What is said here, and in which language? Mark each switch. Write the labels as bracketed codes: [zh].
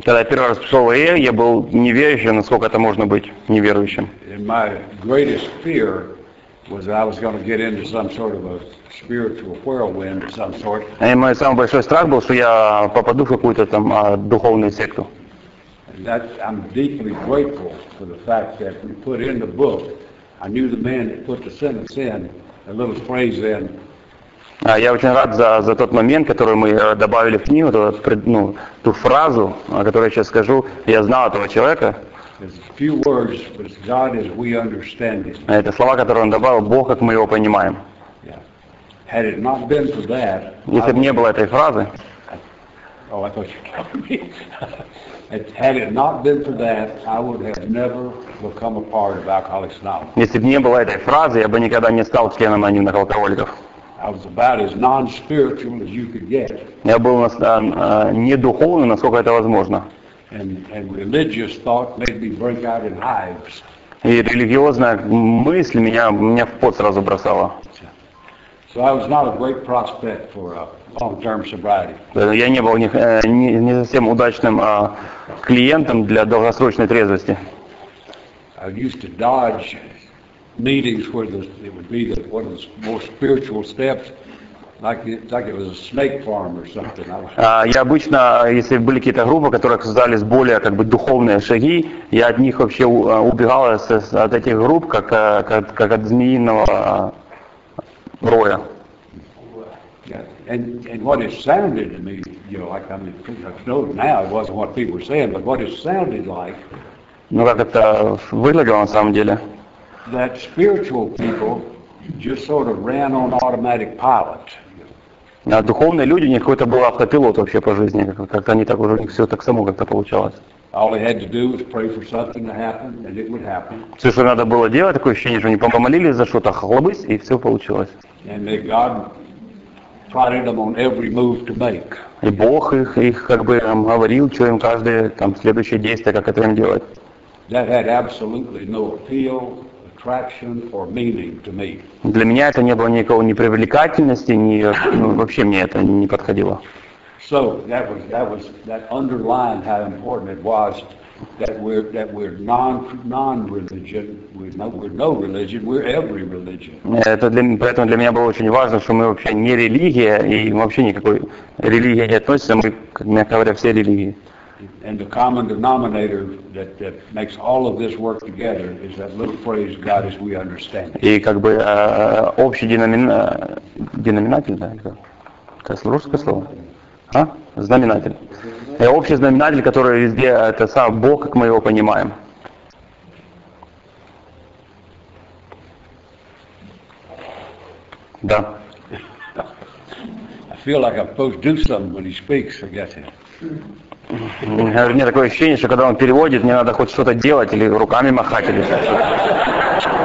[ru] Когда я первый раз пришел в АА, я был неверующим, насколько это можно быть неверующим. [en] And my greatest fear was that I was going to get into some sort of a spiritual whirlwind of some sort. [ru] И мой самый большой страх был, что я попаду в какую-то там духовную секту. [en] That I'm deeply grateful for the fact that we put in the book. I knew the man that put the sentence in, a little phrase in. [ru] Я очень рад за тот момент, который мы добавили в книгу, ту фразу, о которой я сейчас скажу. Я знал этого человека. [en] There's a few words, but it's God as we understand it. [ru] Это слова, которые он добавил, Бог, как мы его понимаем. [en] Yeah. Had it not been for that, [ru] если бы не было этой фразы. [en] Oh, I thought you were telling me. Had it not been for that, I would have never become a part of Alcoholics Anonymous. [ru] Если бы не было этой фразы, я бы никогда не стал членом анонимных алкоголиков. [en] I was about as non-spiritual as you could get. [ru] Я был не духовным, насколько это возможно. [en] And religious thought made me break out in hives. [ru] И религиозная мысль меня в пот сразу бросала. [en] So I was not a great prospect for a long-term sobriety. [ru] Я не был не совсем удачным клиентом для долгосрочной трезвости. [en] I used to dodge meetings where it would be one of the more spiritual steps, like it was a snake farm or something. [ru] Я обычно, если были какие-то группы, которые оказались более как бы духовные шаги, я от них вообще убегал от этих групп как от змеиного роя. [en] Yeah. And what it sounded to me, you know, like I know now it wasn't what people were saying, but what it sounded like. [ru] Ну как это выглядело на самом деле? [en] That spiritual people just sort of ran on automatic pilot. [ru] А духовные люди, у них какой-то был автопилот вообще по жизни, как-то они так уже все так само как-то получалось. [en] All he had to do was pray for something to happen, and it would happen. [ru] Все, что надо было делать, такое ощущение, что они помолились за что-то, хлобысь, и все получилось. [en] And may God prodded them on every move to make. [ru] И Бог их как бы говорил, что им каждое там следующее действие, как это им делать. [en] That had absolutely no appeal, attraction, or meaning to me. [ru] Для меня это не было никакого ни привлекательности, ни вообще мне это не подходило. [en] So that underlined how important it was that we're non-religion, we're no religion, we're every religion. [ru] Поэтому для меня было очень важно, что мы вообще не религия и вообще никакой религии не относимся, мы, мягко говоря, все религии. [en] And the common denominator that makes all of this work together is that little phrase, God as we understand it. [ru] И как бы общий деноминатель, да, это русское слово? А? Знаменатель. И общий знаменатель, который везде, это сам Бог, как мы его понимаем. Да. [en] I feel like I'm supposed to do something when he speaks, I guess. [ru] У меня такое ощущение, что когда он переводит, мне надо хоть что-то делать или руками махать или что-то.